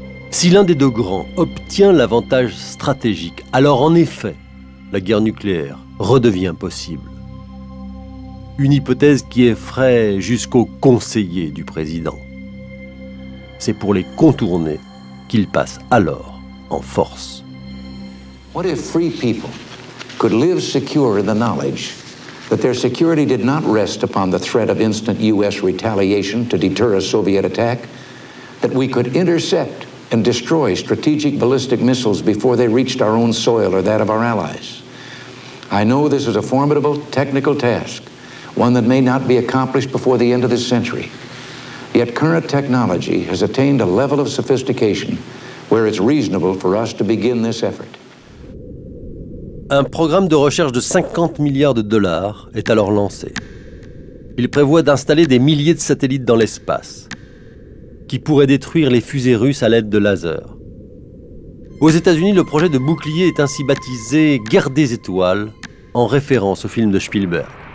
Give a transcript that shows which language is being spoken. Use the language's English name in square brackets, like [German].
[French] Si l'un des deux grands obtient l'avantage stratégique, alors en effet, la guerre nucléaire redevient possible. Une hypothèse qui effraie jusqu'au conseiller du président. C'est pour les contourner qu'il passe alors en force. [English] What if free people could live secure in the knowledge that their security did not rest upon the threat of instant US retaliation to deter a Soviet attack, that we could intercept and destroy strategic ballistic missiles before they reached our own soil or that of our allies? I know this is a formidable technical task, one that may not be accomplished before the end of this century. Yet current technology has attained a level of sophistication where it's reasonable for us to begin this effort. [French] Un programme de recherche de 50 milliards de dollars est alors lancé. Il prévoit d'installer des milliers de satellites dans l'espace qui pourraient détruire les fusées russes à l'aide de lasers. Aux États-Unis, le projet de bouclier est ainsi baptisé « Guerre des étoiles » en référence au film de Spielberg.